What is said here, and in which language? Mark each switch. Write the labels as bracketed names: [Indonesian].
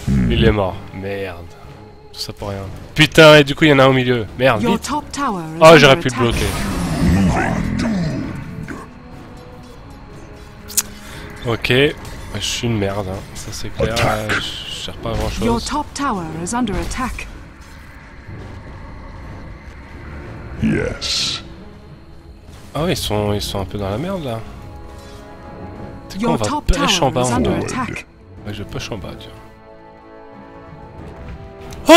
[French] Il est mort. Merde. Tout ça pour rien. Putain, et du coup, il y en a un au milieu. Merde, vite. Oh, j'aurais pu le bloquer. Ok. Je suis une merde, hein. Ça c'est clair, je sers pas à grand chose. [English] Your top tower is under attack. Yes. [French] Ah ouais, ils sont un peu dans la merde là. T'es quoi, on va pêche en bas en mode. Ouais, je pêche en bas, tu vois.